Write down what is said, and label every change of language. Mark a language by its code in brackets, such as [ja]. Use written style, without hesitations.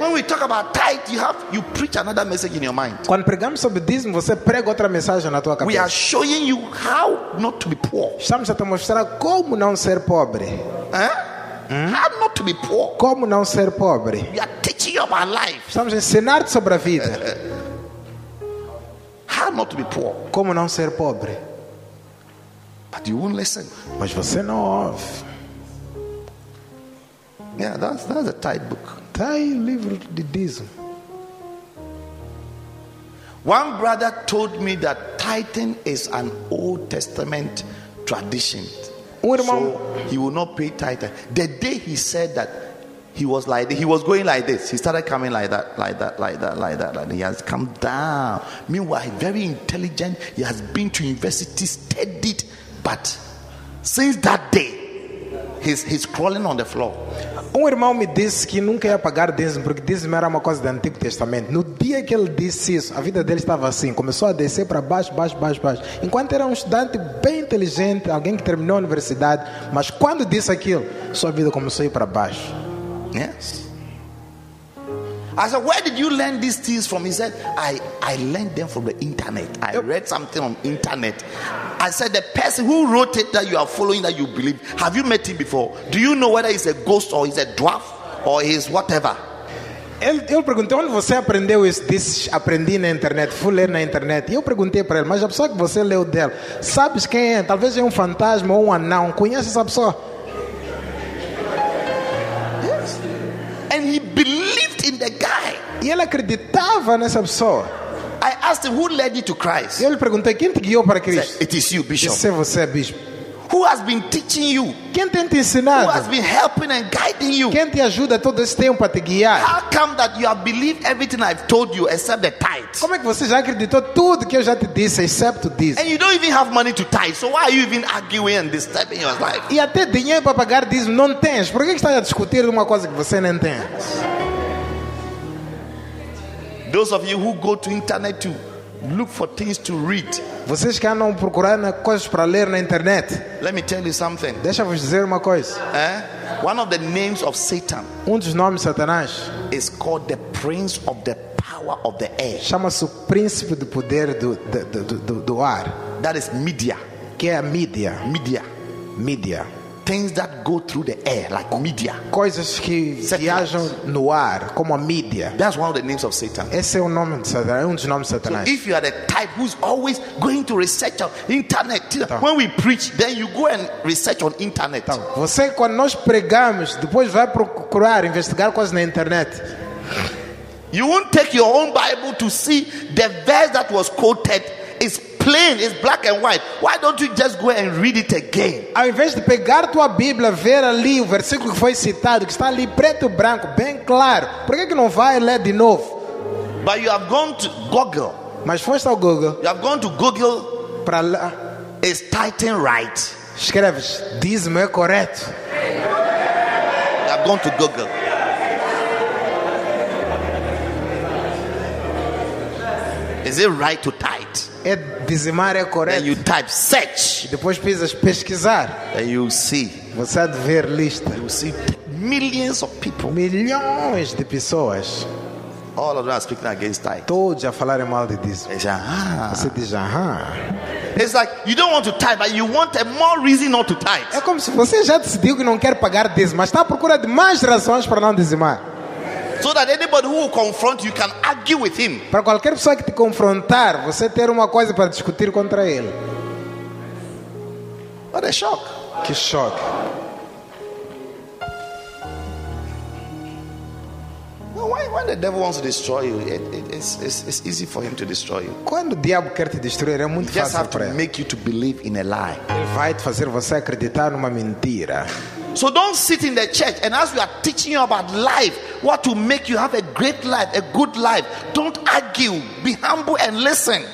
[en] When we talk about tithe, you preach another message in your mind. [pt] Quando pregamos sobre dízimo, você prega outra mensagem na tua cabeça. [en] We are showing you how not to be poor. [pt] Estamos a te mostrar como não ser pobre. [en] How not to be poor. [pt] Como não ser pobre. [en] We are teaching you about life. [pt] Estamos a ensinar-te sobre a vida. [en] How not to be poor. [pt] Como não ser pobre. [en] But you won't listen. [pt] Mas você não ouve. [en] Yeah, that's a tithe book. [pt] Tithe livro de dízimo. [en] One brother told me that tithing is an Old Testament tradition. [pt] Irmão, [en] so he will not pay tithe. The day he said that, he was going like this. He started coming like that. He has come down. Meanwhile, very intelligent. He has been to university, studied, but since that day, he's crawling on the floor. [pt] Irmão me disse que nunca ia pagar dízimo porque dízimo era uma coisa do Antigo Testamento. No dia que ele disse isso, a vida dele estava assim, começou a descer para baixo. Enquanto era estudante bem inteligente, alguém que terminou a universidade, mas quando disse aquilo, sua vida começou a ir para baixo. [en] Yes. I said, where did you learn these things from? He said, I learned them from the internet. I read something on the internet. I said, the person who wrote it that you are following, that you believe, have you met him before? Do you know whether he's a ghost or he's a dwarf or he's whatever? [pt] Eu perguntei, onde você aprendeu isso? Disse, aprendi na internet, fui ler na internet. Eu perguntei para ele, mas a pessoa que você leu dela, sabes quem é? Talvez é um fantasma ou um anão, conhece essa pessoa? [en] Yes. And he believed in the guy. [pt] E ele acreditava nessa pessoa. [en] I asked him, who led you to Christ? [pt] Eu lhe perguntei, quem te guiou para Cristo? [en] It is you, Bishop. [pt] Isso é você, Bishop. [en] Who has been teaching you? [pt] Quem tem te ensinado? [en] Who has been helping and guiding you? [pt] Quem te ajuda todo esse tempo a te guiar? [en] How come that you have believed everything I've told you except the tithe? [pt] Como é que você já acreditou tudo que eu já te disse, excepto [en] this? And you don't even have money to tithe, so why are you even arguing and disturbing your life? [pt] E até dinheiro para pagar diz não tens. Por que está a discutir uma coisa que você não tem? [en] Those of you who go to internet to look for things to read. [pt] Vocês que andam procurando coisas para ler na internet. [en] Let me tell you something. [pt] Deixa-vos dizer uma coisa. [en] Eh? One of the names of Satan. [pt] Um dos nomes de Satanás. [en] Is called the Prince of the Power of the Air. [pt] Chama-se o Príncipe do Poder do Ar. [en] That is media. [pt] Que é a mídia. [en] Media. [pt] Media. [en] Things that go through the air, like media. [pt] Coisas que viajam no ar, como a mídia. [en] That's one of the names of Satan. [pt] Esse é o nome de Satanás. Um dos nomes de Satanás. [en] So if you are the type who's always going to research on internet, [pt] então, [en] when we preach, then you go and research on internet. [pt] Então, você, quando nós pregamos, depois vai procurar, investigar coisas na internet. [en] You won't take your own Bible to see the verse that was quoted. It's plain, it's black and white. Why don't you just go and read it again? [pt] Ao invés de pegar tua Bíblia, ver ali o versículo que foi citado, que está ali preto e branco, bem claro, por que não vai ler de novo? [en] But you have gone to Google. [pt] Mas foste ao Google. [en] You have gone to Google. [pt] Para lá. [en] Is Titan right? [pt] Escreves, diz-me é correto. [en] You have gone to Google. Is it right to tithe? [pt] É dizimar é correto. [en] Then you type search. [pt] Depois pisas pesquisar. [en] Then you see. [pt] Você há de ver lista. [en] You see millions of people. [pt] Milhões de pessoas. [en] All of them are speaking against tithe. [pt] Todos a falarem mal de dízimo. Você diz, [en] It's like you don't want to tithe, but you want a more reason not to tithe. [pt] É como se você já decidiu que não quer pagar dízimo, mas está à procura de mais razões para não dizimar. [en] So that anybody who will confront you can argue with him. [pt] Para qualquer pessoa que te confrontar, você ter uma coisa para discutir contra ele. [en] What a shock! [pt] Que choque! [en] No, when the devil wants to destroy you, it's easy for him to destroy you. [pt] Quando o diabo quer te destruir, é muito [en] he [pt] fácil para ele. [en] He just has to make you to believe in a lie. [pt] Ele vai te fazer você acreditar numa mentira. [en] So don't sit in the church and as we are teaching you about life, what to make you have a great life, a good life, don't argue, be humble and listen.